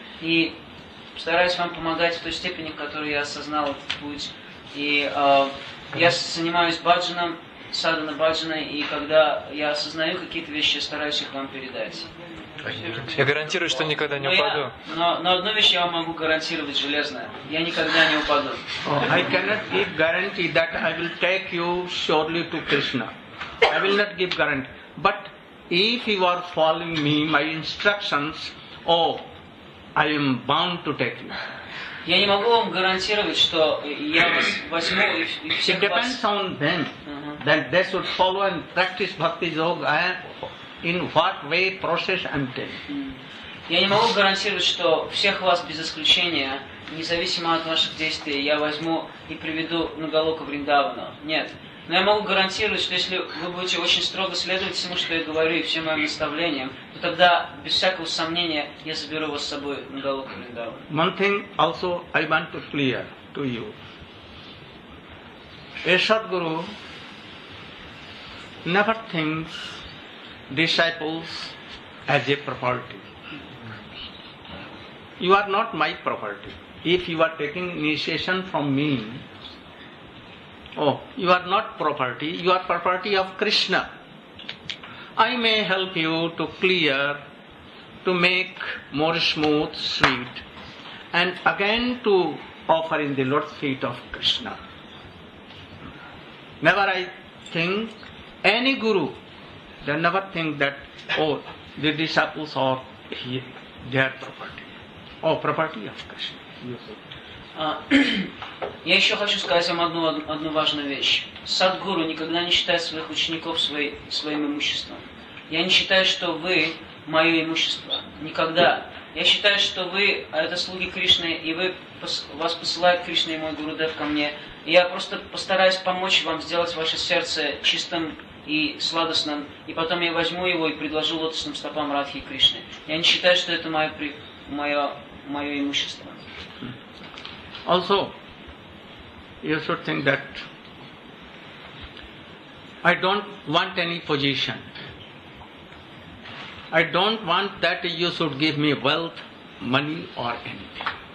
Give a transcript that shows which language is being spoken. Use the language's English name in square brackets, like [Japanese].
[Russian] И стараюсь вам помогать в той степени, в которой я осознал этот путь. И я занимаюсь баджаном, садхана баджаной, и когда я осознаю какие-то вещи, я стараюсь их вам передать. Я гарантирую, что никогда не упаду. Но одну вещь я вам могу гарантировать железно. Я никогда не упаду. [English] I cannot give guarantee that I will take you surely to Krishna. I will not give guarantee. But if you are following me, my instructions, I am bound to take you. [Russian] Я не могу вам гарантировать, что я вас возьму и всех вас. [English] It depends on them. Then they should follow and practice bhakti yoga in what way process I'm telling. [Russian] Я не могу гарантировать, что всех вас без исключения, независимо от ваших действий, я возьму и приведу на Голоку Вриндавана. Нет. Но я могу гарантировать, что если вы будете очень строго следовать всему, что я говорю, и всем моим наставлениям, то тогда, без всякого сомнения, я заберу вас с собой на Голоку Вриндавана. [English] One thing also I want to clear to you. A Sadguru never thinks disciples as a property. You are not my property. If you are taking initiation from me, you are not property, you are property of Krishna. I may help you to clear, to make more smooth, sweet, and again to offer in the Lord's feet of Krishna. Never I think any guru, they never think that, the disciples are here, their property. Oh, property of Krishna. [Russian] Я еще хочу сказать вам одну важную вещь. Садхгуру никогда не считает своих учеников своим имуществом. Я не считаю, что вы мое имущество. Никогда. Я считаю, что вы это слуги Кришны, и вы вас посылает Кришна и мой Гурудев ко мне. Я просто постараюсь помочь вам сделать ваше сердце чистым и сладостным, и потом я возьму его и предложу лотосным стопам Радхи и Кришны. Я не считаю, что это мое имущество. [English] Also, you should think that I don't want any position. I don't want that you should give me wealth, money or anything.